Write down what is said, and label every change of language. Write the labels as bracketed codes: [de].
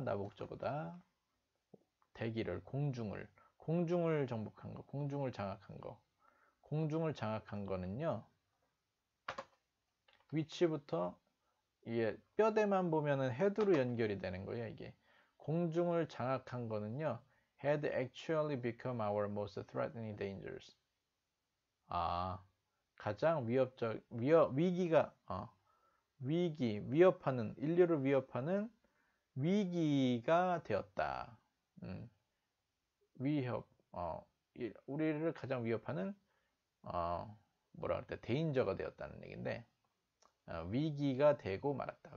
[ko] 나 목적어다. 대기를, 공중을. 공중을 정복한 거, 공중을 장악한 거. 공중을 장악한 거는요, 위치부터, 이게 뼈대만 보면은 헤드로 연결이 되는 거예요, 이게. 공중을 장악한 거는요, [en] had actually become our most threatening dangers. [ko] 아, 가장 위협적, 위기가, 위협하는, 인류를 위협하는 위기가 되었다. 위협, 우리를 가장 위협하는 뭐라 그럴 때 데인저가 되었다는 얘기인데 위기가 되고 말았다.